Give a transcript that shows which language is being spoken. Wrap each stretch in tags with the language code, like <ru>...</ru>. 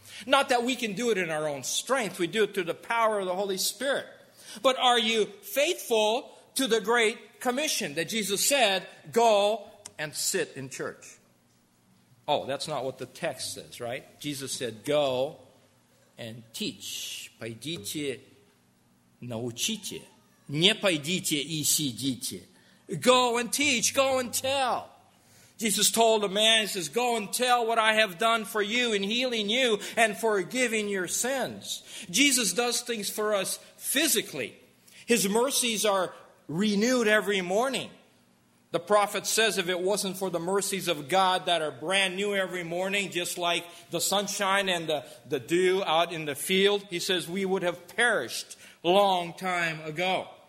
<en>Not that we can do it in our own strength. We do it through the power of the Holy Spirit. But are you faithful to the Great Commission that Jesus said, go and sit in church? Oh, that's not what the text says, right? Jesus said, go and teach.</en> <ru>Пойдите. Научите, не пойдите и сидите.</ru> <en>Go and teach, go and tell. Jesus told a man, he says, go and tell what I have done for you in healing you and forgiving your sins. Jesus does things for us physically. His mercies are renewed every morning. The prophet says if it wasn't for the mercies of God that are brand new every morning, just like the sunshine and the dew out in the field, he says we would have perished long time ago.</en>